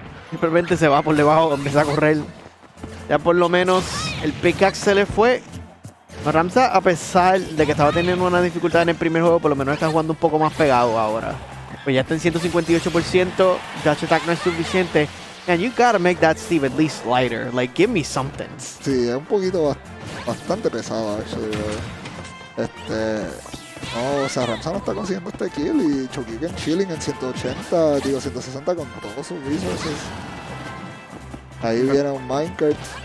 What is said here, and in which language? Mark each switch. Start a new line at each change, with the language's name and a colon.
Spanish: Simplemente se va por debajo, empieza a correr. Ya por lo menos el pickaxe se le fue. Ramsa, a pesar de que estaba teniendo una dificultad en el primer juego, por lo menos está jugando un poco más pegado ahora. Pues ya está en 158%. Dash attack no es suficiente.
English: And you gotta make that Steve at least lighter. Like, give me something.
Spanish: Sí, es un poquito bastante pesado, actually. No, o sea, Ramsa no está consiguiendo este kill y Chokiken chilling en 180, digo 160 con todos sus resources. Ahí viene un Minecart.